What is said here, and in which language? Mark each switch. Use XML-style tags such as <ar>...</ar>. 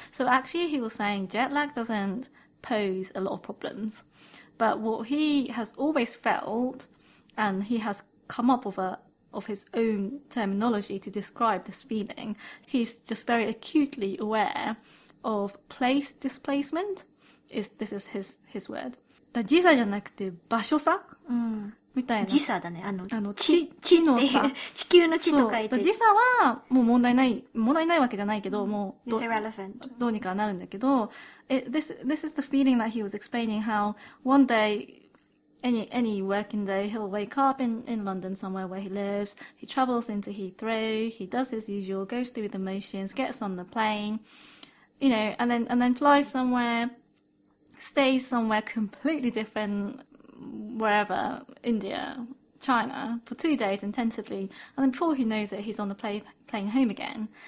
<en>So actually, he was saying jet lag doesn't pose a lot of problems. But what he has always felt, and he has come up with of his own terminology to describe this feeling, he's just very acutely aware of place displacement. This is his word.</en> <ja>時差じゃなくて場所差みたいな。時差だね。地地っのて、差。地球の地と書そう。いて。時差はもう問題ない。問題ないわけじゃないけど、もう</ja> <en>It's irrelevant.</en> <ja>どうにかなるんだけど、</ja> <en>this is the feeling that he was explaining how one day, any working day, he'll wake up in London somewhere where he lives, he travels into Heathrow, he does his usual, goes through the motions, gets on the plane, and then flies somewhere, stays somewhere completely different, wherever, India, China, for 2 days intensively, and then before he knows it, he's on the plane home again.</en>